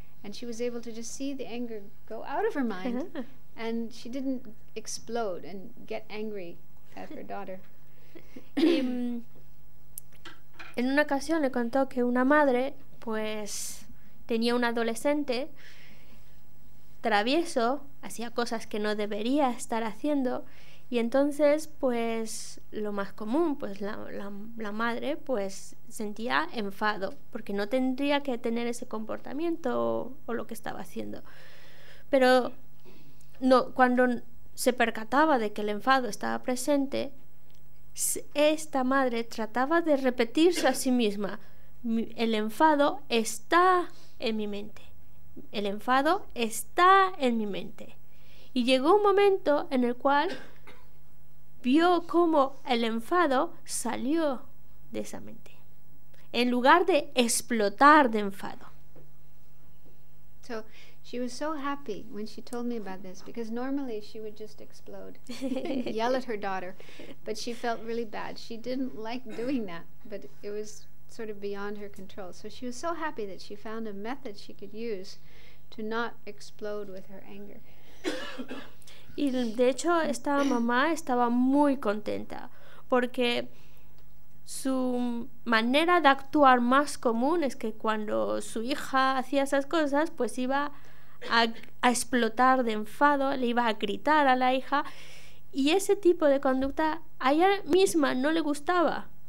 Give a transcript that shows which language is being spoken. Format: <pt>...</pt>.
<en>And she was able to just see the anger go out of her mind, and she didn't explode and get angry at her daughter.</en> <es>En una ocasión le contó que una madre, pues, tenía un adolescente travieso, hacía cosas que no debería estar haciendo, y entonces, pues, lo más común, pues, la madre, pues, sentía enfado, porque no tendría que tener ese comportamiento o lo que estaba haciendo. Pero no, cuando se percataba de que el enfado estaba presente, esta madre trataba de repetirse a sí misma: el enfado está en mi mente, el enfado está en mi mente. Y llegó un momento en el cual vio cómo el enfado salió de esa mente en lugar de explotar de enfado.</es> <en>So she was so happy when she told me about this, because normally she would just explode and yell at her daughter, but she felt really bad. She didn't like doing that, but it was sort of beyond her control. So she was so happy that she found a method she could use to not explode with her anger.</en> <es>Y de hecho esta mamá estaba muy contenta, porque su manera de actuar más común es que cuando su hija hacía esas cosas, pues iba a explotar de enfado, le iba a gritar a la hija, y ese tipo de conducta a ella misma no le gustaba.</es>